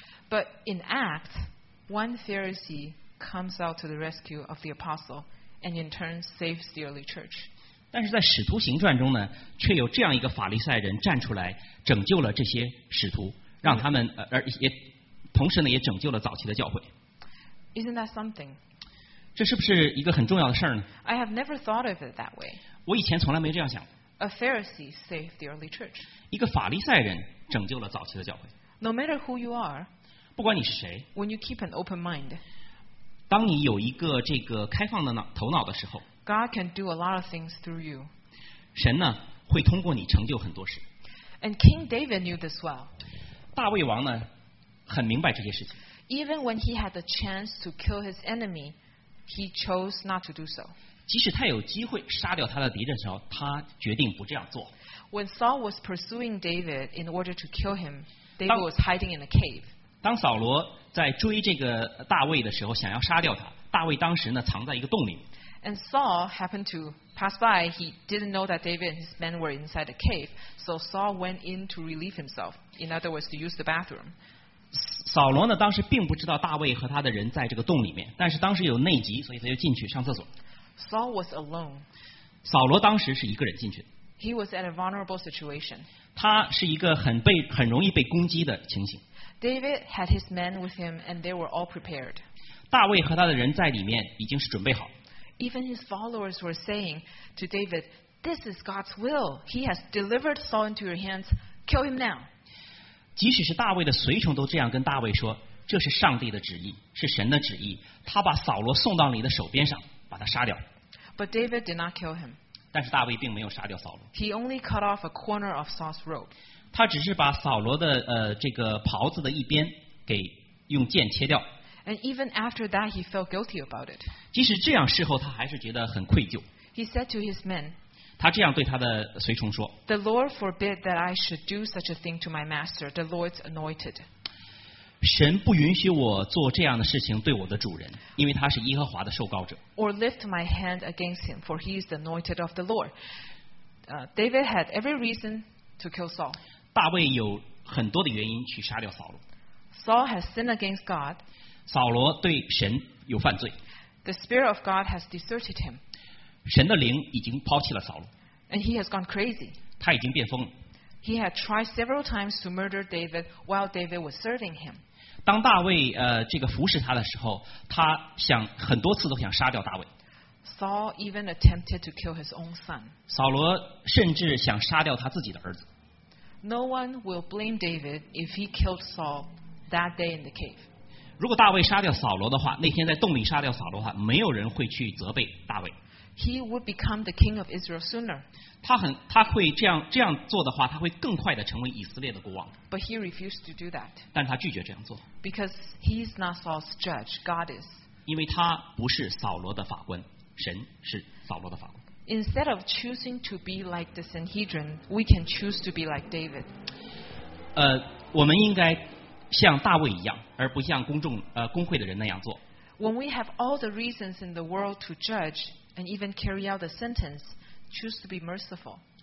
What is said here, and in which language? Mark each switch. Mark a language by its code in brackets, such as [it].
[en] But in Acts, one Pharisee comes out to the rescue of the apostle and in turn saves the early church. [zh] 但是在使徒行传中呢，却有这样一个法利赛人站出来拯救了这些使徒，让他们也同时呢也拯救了早期的教会。 [en] Isn't that something? [zh] 这是不是一个很重要的事呢？ [en] I have never thought of it that way. [zh] 我以前从来没这样想。 [en] A Pharisee saved the early church. [zh] 一个法利赛人拯救了早期的教会。 [en] No matter who you are, [zh] 不管你是谁， [en] when you keep an open mind, [zh] 当你有一个这个开放的头脑的时候， [en] God can do a lot of things through you. [zh] 神呢会通过你成就很多事。 [en] And King David knew this well. [zh] 大卫王呢很明白这些事情。 [en] Even when he had the chance to kill his enemy, he chose not to do so. [zh] 即使他有机会杀掉他的敌人的时候，他决定不这样做。 [en] When Saul was pursuing David in order to kill him, David was hiding in a cave. [zh] 当扫罗在追这个大卫的时候，想要杀掉他，大卫当时呢藏在一个洞里。 [en] And Saul happened to pass by. He didn't know that David and his men were inside the cave. So Saul went in to relieve himself. In other words, to use the bathroom. [zh] 扫罗呢当时并不知道大卫和他的人在这个洞里面，但是当时有内急，所以他就进去上厕所。 [en] Saul was alone. [zh] 扫罗当时是一个人进去。 [en] He was in a vulnerable situation. [zh] 他是一个很容易被攻击的情形。 [en] David had his men with him, and they were all prepared. [zh] 大卫和他的人在里面已经是准备好。 [en] Even his followers were saying to David, "This is God's will. He has delivered Saul into your hands. Kill him now." [zh] 即使是大卫的随从都这样跟大卫说，这是上帝的旨意，是神的旨意。他把扫罗送到你的手边上，把他杀掉。 [en] But David did not kill him. [zh] 但是大卫并没有杀掉扫罗。 [en] He only cut off a corner of Saul's robe. [zh] 他只是把扫罗的这个袍子的一边给用剑切掉。 [en] And even after that, he felt guilty about it. [zh] 即使这样，事后他还是觉得很愧疚。 [en] He said to his men, [zh] 他这样对他的随从说 [en] "The Lord forbid that I should do such a thing to my master, the Lord's anointed." [zh] 神不允许我做这样的事情对我的主人，因为他是耶和华的受膏者。 [en] Or lift my hand against him, for he is the anointed of the Lord. David had every reason to kill Saul. [zh] 大卫有很多的原因去杀掉扫罗。 [en] Saul has sinned against God. [zh] 扫罗对神有犯罪。 [en] The spirit of God has deserted him. [zh] 神的灵已经抛弃了扫罗。 [en] And he has gone crazy. [zh] 他已经变疯了。 [en] He had tried several times to murder David while David was serving him. [zh] 当大卫这个服侍他的时候，他想很多次都想杀掉大卫。 [en] Saul even attempted to kill his own son. [zh] 扫罗甚至想杀掉他自己的儿子。 [en] No one will blame David if he killed Saul that day in the cave. [zh] 如果大卫杀掉扫罗的话，那天在洞里杀掉扫罗的话，没有人会去责备大卫。 [en] He would become the king of Israel sooner. [zh] 他会这样做的话，他会更快的成为以色列的国王。 [en] But he refused to do that. [zh] 但他拒绝这样做。 [en] Because he's not Saul's judge, God is. [zh] 因为他不是扫罗的法官，神是扫罗的法官。 [en] Instead of choosing to be like the Sanhedrin, we can choose to be like David. [zh] 我们应该。像大卫一样，而不像公会的人那样做。 [en] When we have all the reasons in the world to judge and even carry out the sentence, choose to be merciful.